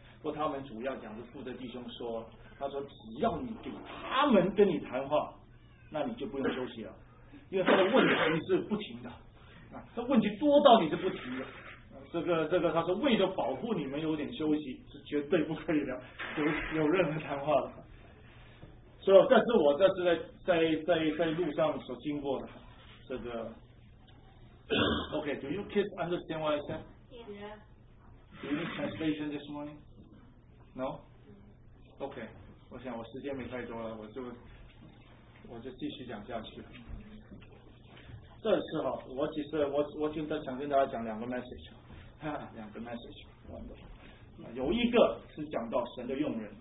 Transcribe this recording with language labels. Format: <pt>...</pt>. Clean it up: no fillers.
<zh>说他们主要讲的负责弟兄说，他说只要你给他们跟你谈话，那你就不用休息了，因为他的问题是不停的。这问题多到你是不提的，这个他说为了保护你们有点休息，是绝对不可以的，有任何谈话的。所以这是我这次在路上所经过的，这个。</zh> <en>OK, do you kids understand what I said? Yeah. Do you need translation this morning? No.</en> <zh>OK, 我想我时间没太多了，我就继续讲下去了。这次哈，我今天想跟大家讲两个 message， 有一个是讲到神的用人。</zh>